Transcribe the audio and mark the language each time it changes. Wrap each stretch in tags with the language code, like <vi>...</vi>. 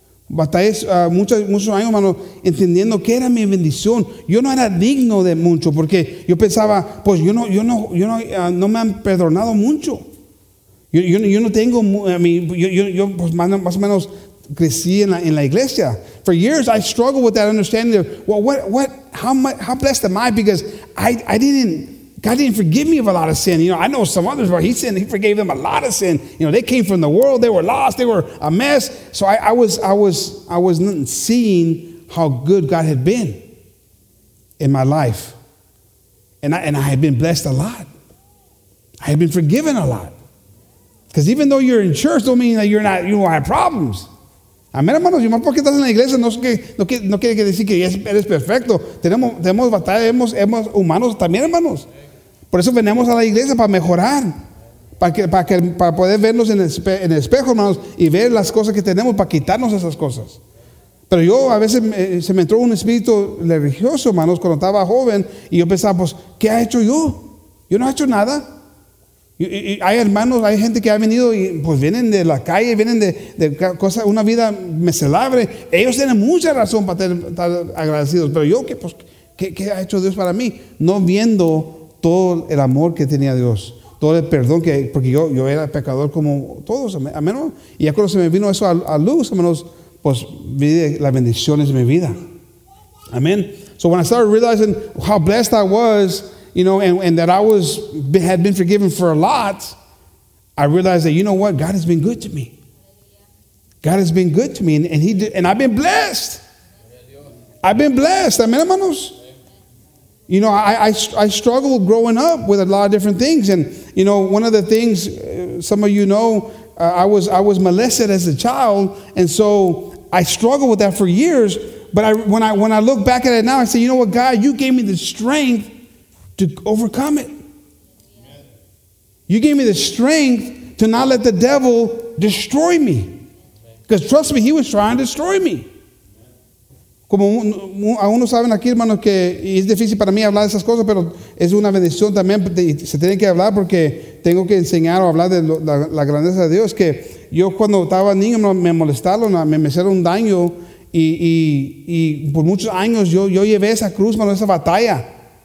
<es>Batallé muchos años, hermano, entendiendo que era mi bendición. Yo no era digno de mucho, porque yo pensaba, pues yo no me han perdonado mucho. Yo no tengo, I mean, yo pues más o menos crecí en la iglesia.</es> <en>For years, I struggled with that understanding of, well, how blessed am I? Because God didn't forgive me of a lot of sin. You know, I know some others, but he forgave them a lot of sin. You know, they came from the world. They were lost. They were a mess. So I was not seeing how good God had been in my life. And I had been blessed a lot. I had been forgiven a lot. Because even though you're in church, don't mean that you don't have problems.</en> <es>Amén, hermanos. Y más porque estás en la iglesia, no quiere decir que eres perfecto. Tenemos batallas, hemos humanos también, hermanos. Por eso venimos a la iglesia, para mejorar, para poder vernos en el espejo, hermanos, y ver las cosas que tenemos, para quitarnos esas cosas. Pero yo a veces se me entró un espíritu religioso, hermanos, cuando estaba joven, y yo pensaba, pues, ¿qué ha hecho yo? Yo no he hecho nada. Y hay hermanos, hay gente que ha venido y pues vienen de la calle, vienen de cosas, una vida miserable. Ellos tienen mucha razón para estar agradecidos. Pero yo, ¿qué ha hecho Dios para mí? No viendo todo el amor que tenía Dios, todo el perdón que, porque yo era pecador como todos, amén. Y ya cuando se me vino eso a luz, hermanos, pues vi las bendiciones de mi vida. Amén.</es> <en>So when I started realizing how blessed I was, you know, and that I was had been forgiven for a lot, I realized that, you know what, God has been good to me. God has been good to me, and I've been blessed. I've been blessed,</en> <es>amén, hermanos.</es> <en>You know, I struggled growing up with a lot of different things. And, you know, one of the things, some of you know, I was molested as a child. And so I struggled with that for years. But when I look back at it now, I say, you know what, God, you gave me the strength to overcome it. You gave me the strength to not let the devil destroy me. Because trust me, he was trying to destroy me.</en> <es>Como aún no saben aquí, hermanos, que es difícil para mí hablar de esas cosas, pero es una bendición también. Se tiene que hablar porque tengo que enseñar o hablar de la grandeza de Dios. Que yo cuando estaba niño me molestaron, me hicieron un daño y por muchos años yo llevé esa cruz, hermanos, esa batalla.</es>